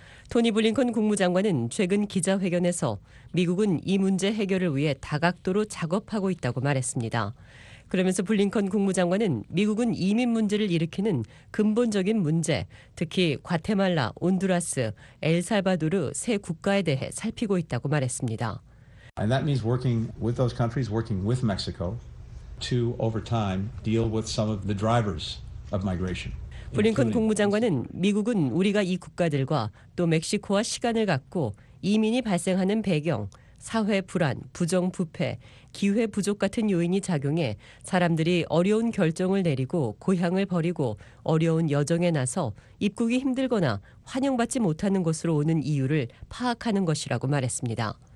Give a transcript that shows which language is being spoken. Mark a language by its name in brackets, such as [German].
[Korean] 토니 블링컨 국무장관은 최근 기자회견에서 미국은 이 문제 해결을 위해 다각도로 작업하고 있다고 말했습니다. 그러면서 블링컨 국무장관은 미국은 이민 문제를 일으키는 근본적인 문제, 특히 과테말라, 온두라스, 엘살바도르 세 국가에 대해 살피고 있다고 말했습니다. [English] And that means working with those countries, working with Mexico to over time deal with some of the drivers of migration. [Korean] 블링컨 국무장관은 미국은 우리가 이 국가들과 또 멕시코와 시간을 갖고 이민이 발생하는 배경, 사회 불안, 부정 부패, 기회 부족 같은 요인이 작용해 사람들이 어려운 결정을 내리고 고향을 버리고 어려운 여정에 나서 입국이 힘들거나 환영받지 못하는 곳으로 오는 이유를 파악하는 것이라고 말했습니다.